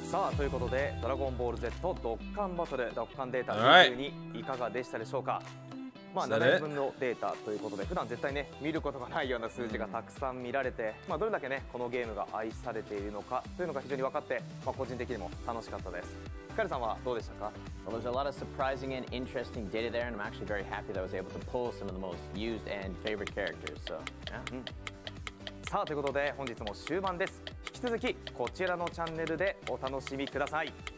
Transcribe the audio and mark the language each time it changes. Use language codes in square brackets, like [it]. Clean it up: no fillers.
[ja] さあということでドラゴンボール Z ドッカンバトルドッカンデータ22いかがでしたでしょうか。まあ7分のデータということで普段絶対ね見ることがないような数字がたくさん見られて、まあどれだけねこのゲームが愛されているのかというのが非常に分かって、まあ個人的にも楽しかったです。ヒカルさんはどうでしたか。 [en] Well, there's a lot of surprising and interesting data there, and I'm actually very happy that I was able to pull some of the most used and favorite characters. So, yeah. [ja] さあということで本日も終盤です。引き続きこちらのチャンネルでお楽しみください。